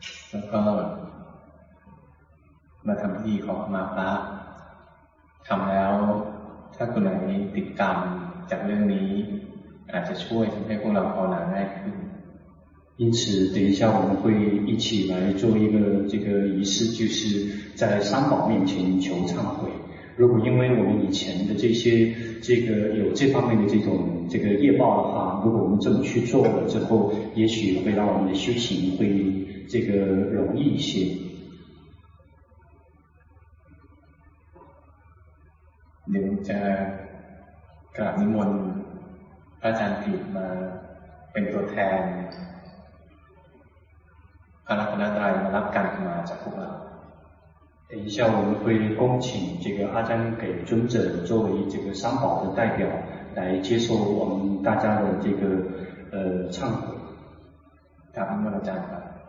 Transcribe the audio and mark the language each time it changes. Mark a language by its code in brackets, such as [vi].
[th] แล้วก็มาทำพิธีขอขมาพระทำแล้วถ้าคนไหนติดกรรมจากเรื่องนี้อาจจะช่วยทำให้พวกเราภาวนาง่ายขึ้น [zh] 因此等一下我们会一起来做一个这个仪式就是在三宝面前求忏悔如果因为我们以前的这些这个有这方面的这种这个业报的话如果我们这么去做了之后也许会让我们的修行会这个容易一些你们在 [th] กราบนิมนต์พระอาจารย์ผิดมาเป็นตัวแทนพระรัตนตรัยมารับการขมาจากพวกเรา [zh] 等一下我们会恭请这个阿詹给尊者作为这个三宝的代表来接受我们大家的这个忏悔大家问了这样吧